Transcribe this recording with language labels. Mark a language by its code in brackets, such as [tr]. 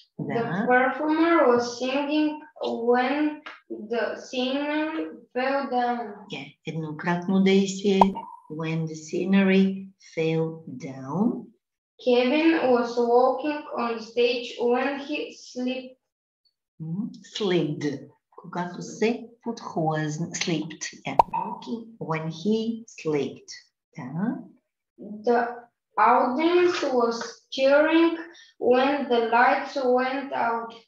[en] The performer was singing when the scenery fell down. Yeah, [bg] еднократно действие. [en] When the scenery fell down. Kevin was walking on stage when he slipped. Slid. [bg] Когато се подхлъзна. [en] Slipped. Yeah. Okay. When he slipped. The audience was cheering when the lights went out.